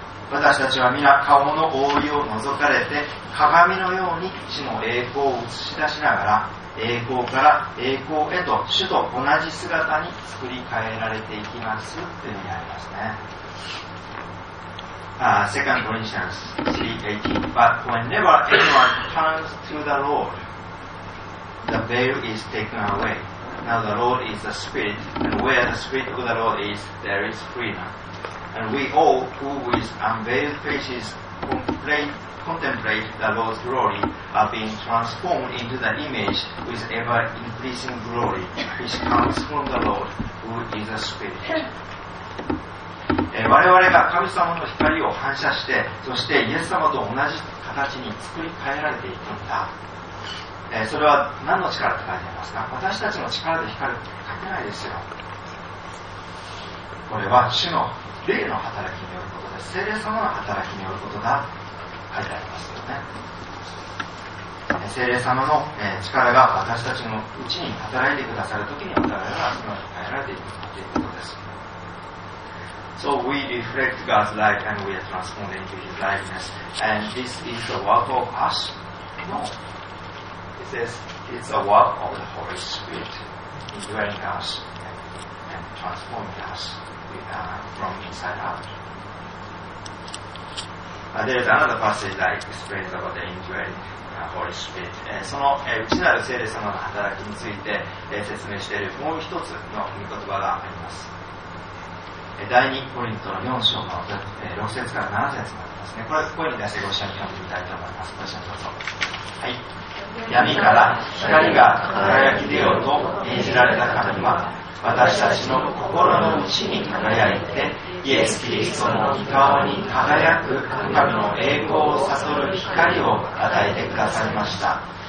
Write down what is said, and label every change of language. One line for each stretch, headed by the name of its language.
Japanese: 私たちは皆顔の覆いを覗かれて鏡のように主の栄光を映し出しながら、栄光から栄光へと主と同じ姿に作り変えられていきますというふうにありますね。
English: 2 Corinthians 3:18. But whenever anyone turns to the Lord, the veil is taken away. Now the Lord is the Spirit, and where the Spirit of the Lord is, there is freedom. And we all, who with unveiled faces contemplate the Lord's glory, are being transformed into the image with ever increasing glory, which comes from the Lord, who is the Spirit.
Japanese: 我々が神様の光を反射して、そしてイエス様と同じ形に作り変えられていくんだ。それは何の力って書いてありますか。私たちの力で光るって書けないですよ。これは主の霊の働きによることです。聖霊様の働きによることが書いてありますよね。聖霊様の力が私たちのうちに働いてくださるときに、我々はその光に変えられていくということです。
English: So we reflect God's light and we are transformed into His likeness. And this is the work of us? No. It says it's a work of the Holy Spirit indwelling us and transforming us from inside out. There is another passage that explains about the indwelling Holy Spirit.
Japanese: その内なる聖霊様の働きについて説明しているもう一つの御言葉があります。第2コリントの4章の6節から7節までですね、これ声に出してご一緒に読んでみたいと思います。ご一緒にどうぞ。はい。闇から光が輝き出ようと命じられた神は、私たちの心の内に輝いて、イエス・キリストの御顔に輝く神の栄光を悟る光を与えてくださいました。